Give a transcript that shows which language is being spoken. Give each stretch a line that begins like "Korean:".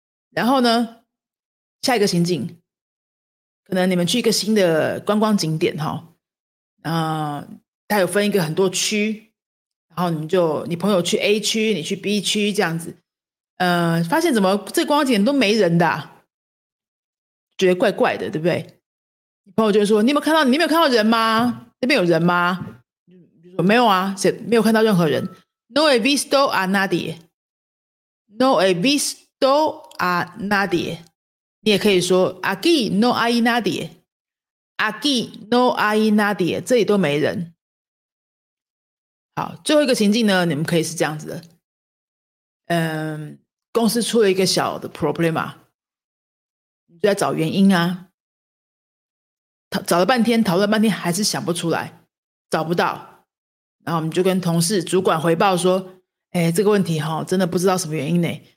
Chinese: 然后呢，下一个情景，可能你们去一个新的观光景点哈、哦，它有分一个很多区，然后你朋友去 A 区，你去 B 区这样子，发现怎么这观光景点都没人的、啊，觉得怪怪的，对不对？你朋友就会说：“你有没有看到人吗？那边有人吗？” 比如说：“没有啊，没有看到任何人。
Spanish: ”No he visto a nadie. No he visto.
Chinese: 都啊 nadie， 你也可以说
Spanish: aquí no hay nadie，
Chinese: aquí no hay nadie， 这里都没人。好，最后一个情境呢，你们可以是这样子的，公司出了一个小的 problem 啊，你就在找原因啊，找了半天，讨论半天，还是想不出来，找不到，然后我们就跟同事主管回报说，哎，这个问题哈、哦，真的不知道什么原因呢。